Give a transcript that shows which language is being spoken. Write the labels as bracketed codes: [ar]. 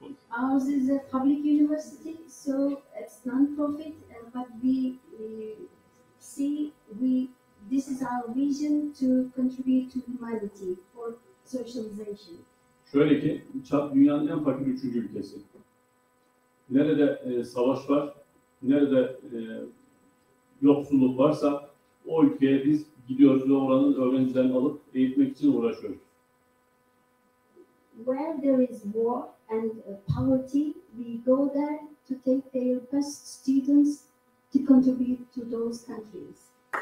[en] Ours is a public university, so it's non-profit, but we see this is our vision to contribute to humanity for socialization. [tr] Şöyle ki, ÇAP dünyanın en fakir üçüncü ülkesi. Nerede savaş var, nerede yoksulluk varsa o ülkeye biz gidiyoruz ve oranın öğrencilerini alıp eğitmek için uğraşıyoruz. [en] Where there is war and poverty, we go there to take their best students to contribute to those countries.